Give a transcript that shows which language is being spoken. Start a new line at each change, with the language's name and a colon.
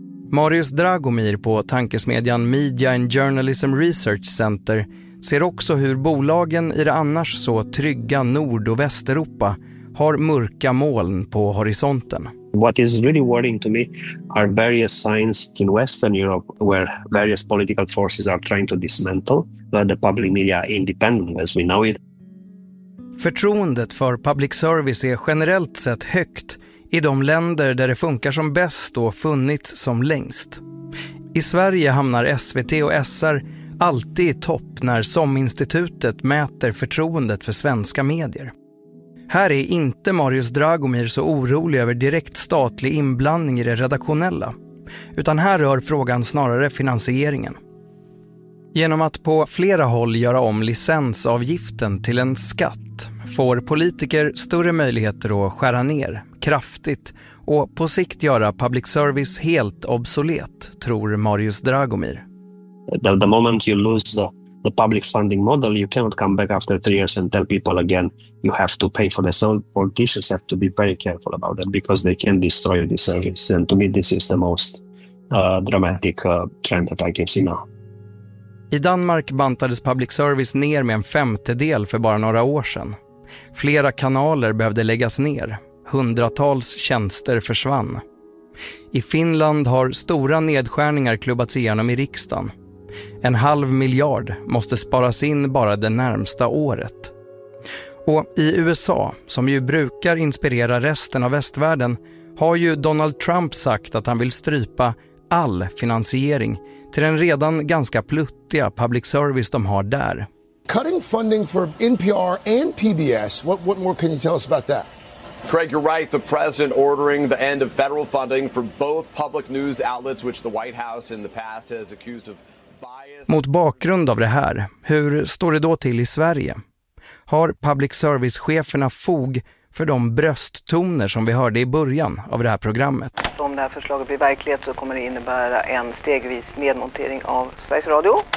Swedish: Marius Dragomir på tankesmedjan Media and Journalism Research Center ser också hur bolagen i det annars så trygga Nord- och Västeuropa har mörka moln på horisonten.
English: What is really worrying to me are various signs in Western Europe where various political forces are trying to dismantle the public media independent as we know it.
Swedish: Förtroendet för public service är generellt sett högt i de länder där det funkar som bäst och funnits som längst. I Sverige hamnar SVT och SR alltid i topp när SOM-institutet mäter förtroendet för svenska medier. Här är inte Marius Dragomir så orolig över direkt statlig inblandning i det redaktionella, utan här rör frågan snarare finansieringen. Genom att på flera håll göra om licensavgiften till en skatt får politiker större möjligheter att skära ner kraftigt och på sikt göra public service helt obsolet, tror Marius Dragomir.
English: The moment you lose the public funding model, you cannot come back after 3 years and tell people again you have to pay for this. So politicians have to be very careful about that because they can destroy the service. And to me, this is the most dramatic trend that I can see now.
Swedish: I Danmark bantades public service ner med en femtedel för bara några år sedan. Flera kanaler behövde läggas ner. Hundratals tjänster försvann. I Finland har stora nedskärningar klubbats igenom i riksdagen. En halv miljard måste sparas in bara det närmsta året. Och i USA, som ju brukar inspirera resten av västvärlden, har ju Donald Trump sagt att han vill strypa all finansiering till den redan ganska pluttiga public service de har där.
English: Cutting funding for NPR and PBS. What more can you tell us about that? Craig, you're right. The president ordering the end of federal funding for both public news outlets, which the White House in the past has accused of bias.
Swedish: Mot bakgrund av det här, hur står det då till i Sverige? Har public service-cheferna fog för de brösttoner som vi hörde i början av det här programmet? Om det här förslaget blir verklighet så kommer det innebära en stegvis nedmontering av Sveriges Radio?